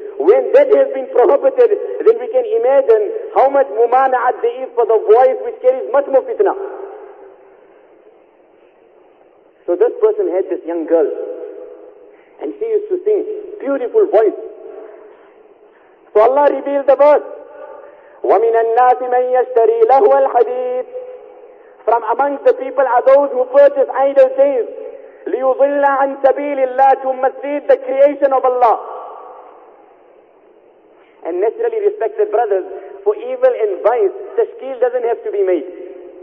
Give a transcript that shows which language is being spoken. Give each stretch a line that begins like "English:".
English: When that has been prohibited, then we can imagine how much mumana'at there is for the voice, which carries much more fitna. So this person had this young girl, and she used to sing beautiful voice. So Allah revealed the verse,
Arabic: وَمِنَ النَّاسِ مَنْ يَشْتَرِي لَهُوَ الْحَدِيثِ.
English: From amongst the people are those who purchase idol things,
Arabic: لِيُضِلَّ عَنْ سَبِيلِ اللَّهِ,
English: to mislead the creation of Allah. And naturally, respected brothers, for evil and vice, tashkil doesn't have to be made.